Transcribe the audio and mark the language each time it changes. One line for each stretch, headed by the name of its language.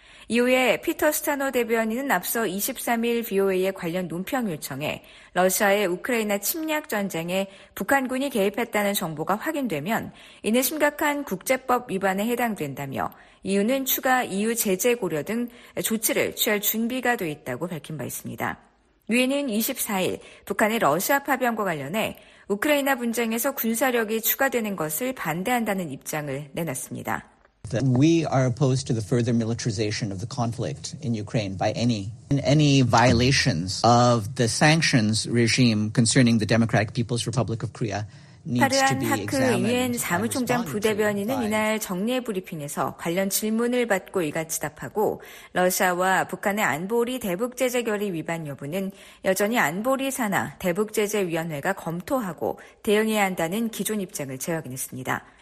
Korean: 이후에 피터 스타노 대변인은 앞서 23일 VOA의 관련 논평 요청에 러시아의 우크라이나 침략 전쟁에 북한군이 개입했다는 정보가 확인되면 이는 심각한 국제법 위반에 해당된다며 EU는 추가 EU 제재 고려 등 조치를 취할 준비가 돼 있다고 밝힌 바 있습니다. 유엔은 24일 북한의 러시아 파병과 관련해 우크라이나 분쟁에서 군사력이 추가되는 것을 반대한다는 입장을 내놨습니다.
English: That we are opposed to the further militarization of the conflict in Ukraine by any violations of the sanctions regime concerning the Democratic People's Republic of Korea.
Korean: 파르안 하크 유엔 사무총장 부대변인은 이날 정례 브리핑에서 관련 질문을 받고 이같이 답하고 러시아와 북한의 안보리 대북제재 결의 위반 여부는 여전히 안보리 산하 대북제재위원회가 검토하고 대응해야 한다는 기존 입장을 재확인했습니다.